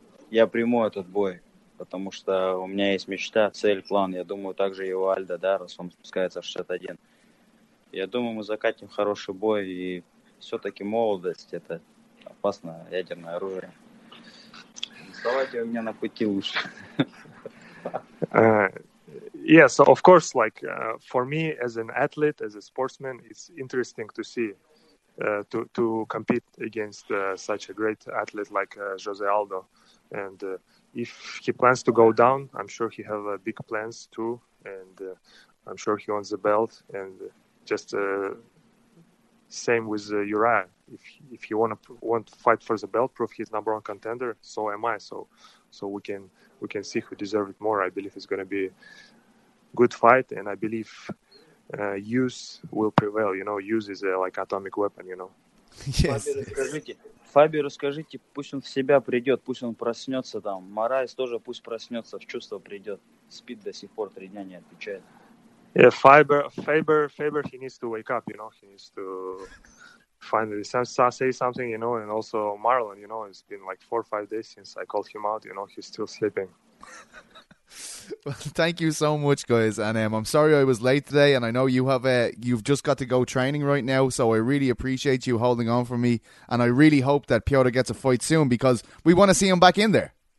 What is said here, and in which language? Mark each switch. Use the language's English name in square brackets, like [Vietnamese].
[Russian] Я приму этот бой, потому что у меня есть мечта, цель, план, я думаю, также и у Альдо, да, раз он спускается в 61. Я думаю, мы закатим хороший бой, и все-таки молодость, это опасно, ядерное оружие. Вставайте у меня на пути лучше. [English] Yeah, so of course, like, for me, as an athlete, as a sportsman, it's interesting to see. To compete against such a great athlete like Jose Aldo. And if he plans to go down, I'm sure he have big plans too. And I'm sure he wants the belt. And just same with Uriah. If he want to fight for the belt, prove he's number one contender, so am I. So we can see who deserves it more. I believe it's going to be a good fight. And I believe use will prevail, you know, use is like atomic weapon, you know. Yes. [Russian] Фаби, расскажите, пусть он в себя придет, пусть он проснется там. Морайс тоже пусть проснется, в чувство придет. Спит до сих пор, 3 дня не отвечает. [English] Yeah, Faber, he needs to wake up, you know, he needs to finally say something, you know, and also Marlon, you know, it's been like 4 or 5 days since I called him out, you know, he's still sleeping. Well, thank you so much, guys, and I'm sorry I was late today, and I know you have you've just got to go training right now, so I really appreciate you holding on for me, and I really hope that Piotr gets a fight soon, because we want to see him back in there.